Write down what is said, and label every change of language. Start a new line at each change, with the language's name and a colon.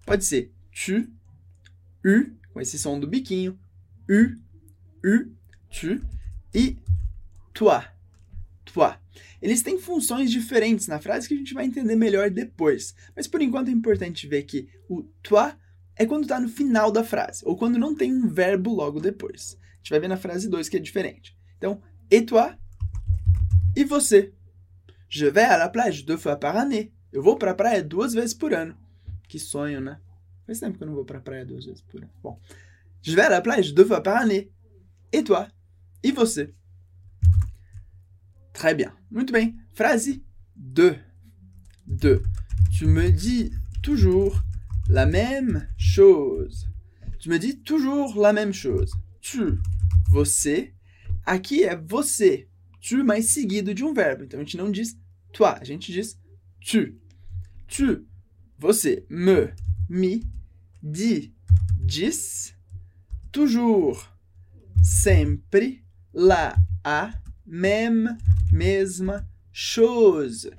Portuguese: Pode ser tu, u, com esse som do biquinho, u, tu, e toi, toi. Eles têm funções diferentes na frase que a gente vai entender melhor depois. Mas por enquanto é importante ver que o toi é quando está no final da frase, ou quando não tem um verbo logo depois. A gente vai ver na frase 2 que é diferente. Então,
French: et toi?
Portuguese: E você?
French: Je vais à la plage deux fois par année.
Portuguese: Eu vou para a praia 2 vezes por ano. Que sonho, né? Faz tempo que eu não vou para a praia 2 vezes por ano. Bom,
French: je vais à la plage deux fois par année. Et toi?
Portuguese: E você?
French: Très bien.
Portuguese: Muito bem. Frase 2. 2.
French: Tu me dis toujours la même chose. Tu me dis toujours la même chose.
Portuguese: Tu, você. Aqui é você. Tu mais seguido de um verbo. Então, a gente não diz toi. A gente diz tu. Tu, você. Me, me, dis, dis. Toujours, sempre. La, a, même, mesma, chose.